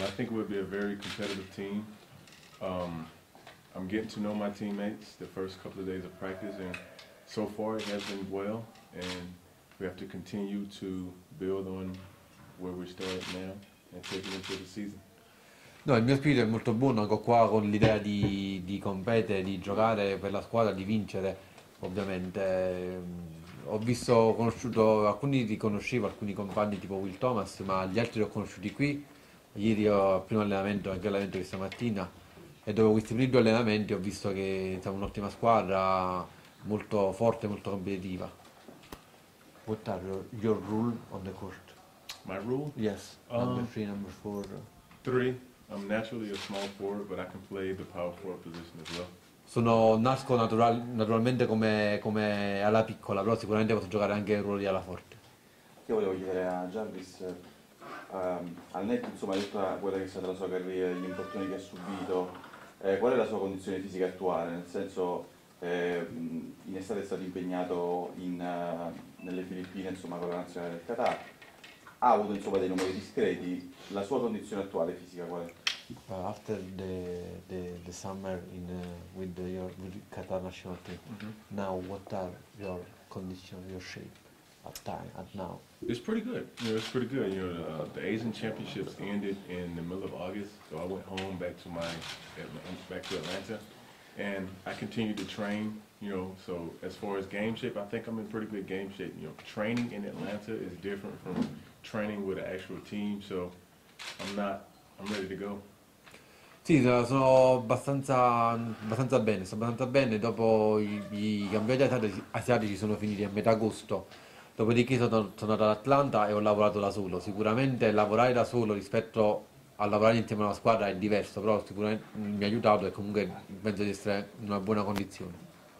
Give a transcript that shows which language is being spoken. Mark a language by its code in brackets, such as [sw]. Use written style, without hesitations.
[en] I think it would be a very competitive team. I'm getting to know my teammates the first couple of days of practice, and so far it has been well, and we have to continue to build on where we started now and take it into the season. [it] No, il mio spirito è molto buono, ecco qua, con l'idea di competere, di giocare per la squadra, di vincere, ovviamente. Ho visto, ho conosciuto, alcuni li conoscevo, alcuni compagni tipo Will Thomas, ma gli altri li ho conosciuti qui. Ieri ho primo allenamento, anche allenamento questa mattina, e dopo questi primi due allenamenti ho visto che siamo un'ottima squadra, molto forte, molto competitiva. [en] What are your rule on the court? My rule? Yes, number three, number four. Three. I'm naturally a small forward, but I can play the power forward position as well. [it] Sono nasco naturalmente come ala piccola, però sicuramente posso giocare anche il ruolo di ala forte. Io volevo chiedere a Jarvis, al netto insomma di tutta quella che è stata la sua carriera, gli infortuni che ha subito, qual è la sua condizione fisica attuale? Nel senso, in estate è stato impegnato nelle Filippine, insomma, con la nazionale del Qatar. Ha avuto insomma dei numeri discreti. La sua condizione attuale fisica qual è? [en] After the summer in with Qatar national team. Mm-hmm. Now what are your condition, your shape at now? It's pretty good. It's pretty good. The Asian Championships ended in the middle of August, so I went home back to Atlanta, and I continued to train. So as far as game shape, I think I'm in pretty good game shape. Training in Atlanta is different from training with an actual team, so I'm ready to go. [it] Sì, sono abbastanza bene, sto abbastanza bene. Dopo i campionati asiatici sono finiti a metà agosto, dopodiché sono andato ad Atlanta e ho lavorato da solo. Sicuramente lavorare da solo rispetto a lavorare insieme a una squadra è diverso, però sicuramente mi ha aiutato e comunque penso di essere in una buona condizione.